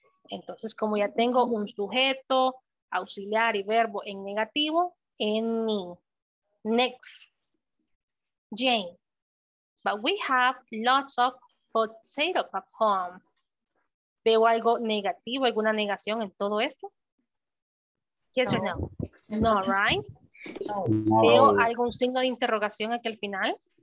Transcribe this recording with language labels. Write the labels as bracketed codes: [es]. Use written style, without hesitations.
[es] Entonces, como ya tengo un sujeto, auxiliar y verbo en negativo, any. [en] Next. Jane, but we have lots of potato at home. [es] ¿Veo algo negativo, alguna negación en todo esto? [en] Yes or no? No, right? [es] No. ¿Veo algún signo de interrogación aquí al final?